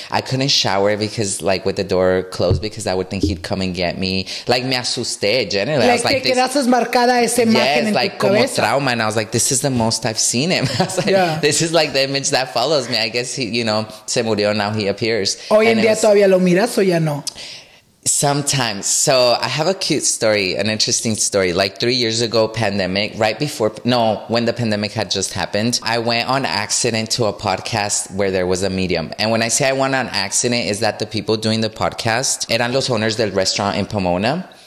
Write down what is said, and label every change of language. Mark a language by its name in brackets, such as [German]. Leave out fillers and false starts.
[English] I couldn't shower because like with the door closed because I would think he'd come and get me. [Spanish] Like, me asusté, generally. [English] Like, I was like, [Spanish] que quedas marcada esa imagen [English] yes, en like, [Spanish] tu cabeza. Como trauma. [English] And I was like, this is the most I've seen him. I was like, yeah. This is like the image that follows me. I guess he, you know, [Spanish] se murió, [English] now he appears. [Spanish] Hoy en día todavía lo miras o ya no? [English] Sometimes. So I have a cute story, an interesting story. Like 3 years ago, pandemic, right before, no, when the pandemic had just happened, I went on accident to a podcast where there was a medium. And when I say I went on accident, is that the people doing the podcast [Spanish] eran los [English] owners del restaurant in Pomona.